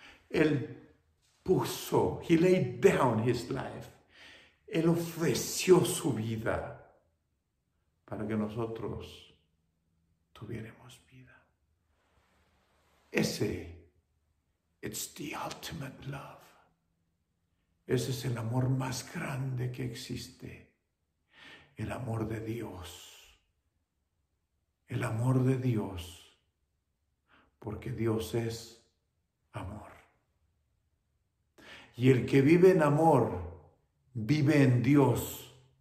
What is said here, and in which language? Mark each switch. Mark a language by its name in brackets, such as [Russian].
[Spanish] Él puso. [English] He laid down his life. [Spanish] Él ofreció su vida para que nosotros tuviéramos vida. Ese, [English] it's the ultimate love. [Spanish] Ese es el amor más grande que existe. El amor de Dios. El amor de Dios. Porque Dios es amor. Y el que vive en amor, vive en Dios.